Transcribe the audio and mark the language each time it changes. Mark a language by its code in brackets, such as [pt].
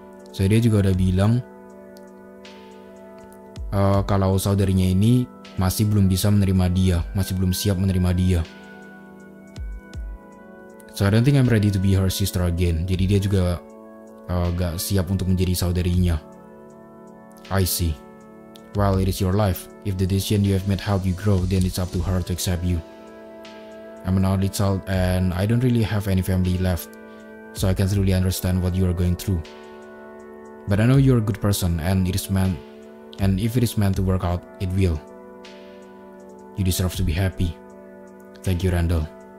[id] So, dia juga udah bilang kalau saudarinya ini masih belum bisa menerima dia, masih belum siap menerima dia. [en] So I don't think I'm ready to be her sister again. [id] Jadi dia juga gak siap untuk menjadi saudarinya. [en] I see. Well, it is your life. If the decision you have made help you grow, then it's up to her to accept you. I'm an only child and I don't really have any family left. So I can't really understand what you are going through. But I know you're a good person and it is meant. And if it is meant to work out, it will. You deserve to be happy. Thank you, Randall.